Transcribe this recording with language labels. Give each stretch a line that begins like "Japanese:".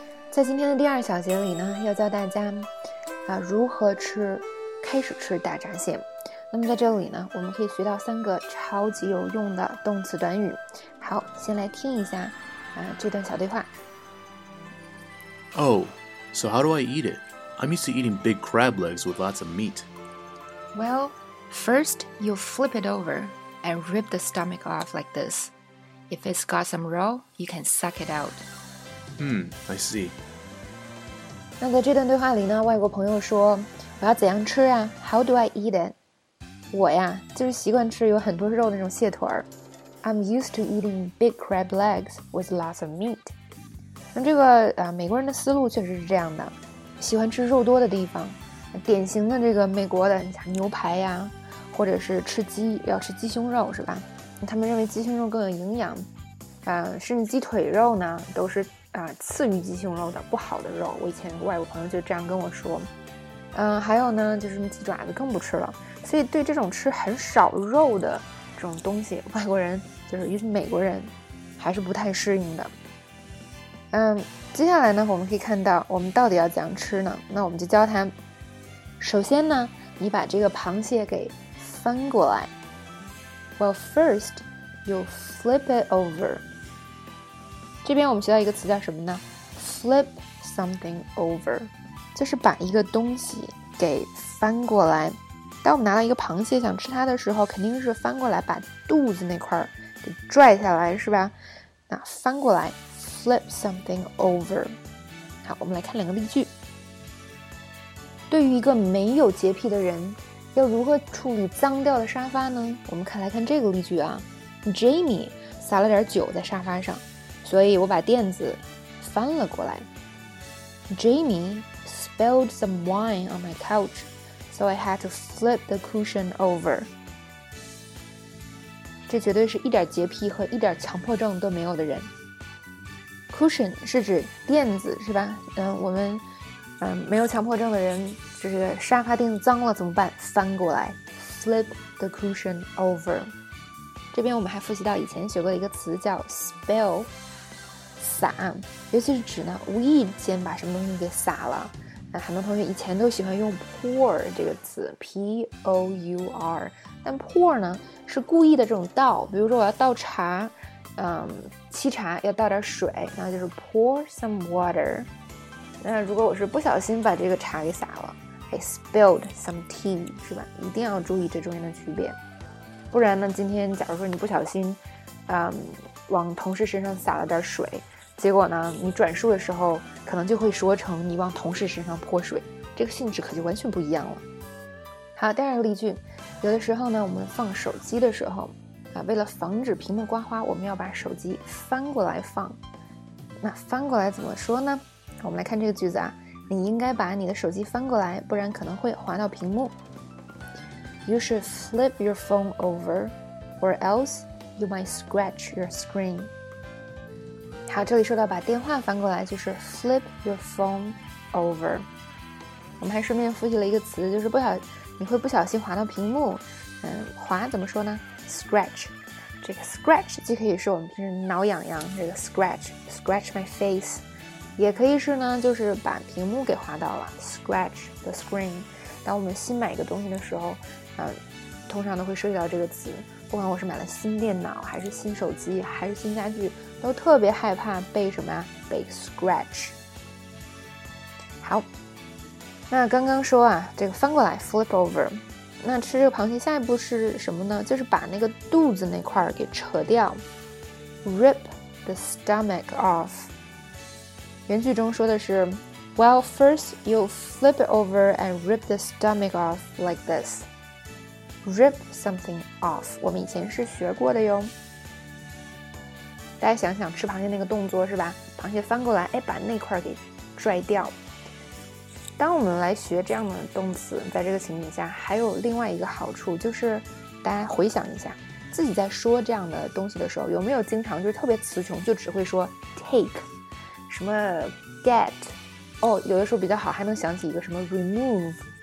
Chinese: 在今天的第二小节里呢，要教大家如何吃，开始吃大闸蟹。那么在这里呢，我们可以学到三个超级有用的动词短语。好，先来听一下这段小对话。
English: Oh, so how do I eat it? I'm used to eating big crab legs with lots of meat. Well, first you flip it over and rip the stomach off like this. If it's got some raw, you can suck it out. I see.
Chinese: 那在这段对话里呢，外国朋友说，我要怎样吃啊？
English: How do I eat it?
Chinese: 我呀，就是习惯吃有很多肉的那种蟹腿儿。
English: I'm used to eating big crab legs with lots of meat.
Chinese: 那这个美国人的思路确实是这样的，喜欢吃肉多的地方，典型的这个美国的牛排呀，或者是吃鸡，要吃鸡胸肉是吧？他们认为鸡胸肉更有营养，甚至鸡腿肉呢，都是次于鸡胸肉的不好的肉，我以前外国朋友就这样跟我说。还有呢，就是鸡爪子更不吃了。所以对这种吃很少肉的这种东西，外国人就是尤其美国人还是不太适应的。接下来呢，我们可以看到我们到底要怎样吃呢？那我们就教他。首先呢，你把这个螃蟹给翻过来。
English: Well, first, you flip it over.
Chinese: 这边我们学到一个词叫什么呢 ？ Flip something over，就是把一个东西给翻过来。当我们拿到一个螃蟹想吃它的时候，肯定是翻过来把肚子那块给拽下来，是吧？那翻过来 ， flip something over。好，我们来看两个例句。对于一个没有洁癖的人，要如何处理脏掉的沙发呢？我们来看这个例句啊 ，Jamie 撒了点酒在沙发上。所以我把垫子翻了过来。
English: Jamie spilled some wine on my couch, so I had to flip the cushion over.
Chinese: 这绝对是一点洁癖和一点强迫症都没有的人。Cushion 是指垫子，是吧？我们没有强迫症的人，就是沙发垫子脏了怎么办？翻过来 ， flip the cushion over。这边我们还复习到以前学过的一个词叫 spill。洒，尤其是指呢无意间把什么东西给洒了。那很多同学以前都喜欢用 pour 这个词 ，P-O-U-R， 但 pour 呢是故意的这种倒，比如说我要倒茶，沏茶要倒点水，那就是 pour some water。那如果我是不小心把这个茶给洒了 ， I spilled some tea，是吧？一定要注意这中间的区别，不然呢，今天假如说你不小心，往同事身上洒了点水，结果呢，你转述的时候可能就会说成你往同事身上泼水，这个性质可就完全不一样了。好，第二个例句，有的时候呢，我们放手机的时候，为了防止屏幕刮花，我们要把手机翻过来放。那翻过来怎么说呢？我们来看这个句子啊，你应该把你的手机翻过来，不然可能会滑到屏幕。
English: You should flip your phone over, or else. You might scratch your screen.
Chinese: 好，这里说到把电话翻过来就是 flip your phone over. 我们还顺便复习了一个词，就是你会不小心滑到屏幕。滑怎么说呢？Scratch. 这个 scratch 既可以是我们平时挠痒痒，这个 scratch my face，也可以是呢，就是把屏幕给滑到了 scratch the screen. 当我们新买一个东西的时候，通常都会涉及到这个词。不管我是买了新电脑，还是新手机，还是新家具，都特别害怕被什么呀？被 scratch。好，那刚刚说啊，这个翻过来 flip over，那吃这个螃蟹下一步是什么呢？就是把那个肚子那块给扯掉 ， rip the stomach off。
English: 原句中说的是，Well, first you flip it over and rip the stomach off like this.
Chinese: Rip something off，我们以前是学过的哟。大家想想吃螃蟹那个动作是吧？螃蟹翻过来，哎，把那块给拽掉。当我们来学这样的动词，在这个情景下，还有另外一个好处就是，大家回想一下自己在说这样的东西的时候，有没有经常就是特别词穷，就只会说 take， 什么 get， 哦，有的时候比较好还能想起一个什么 remove。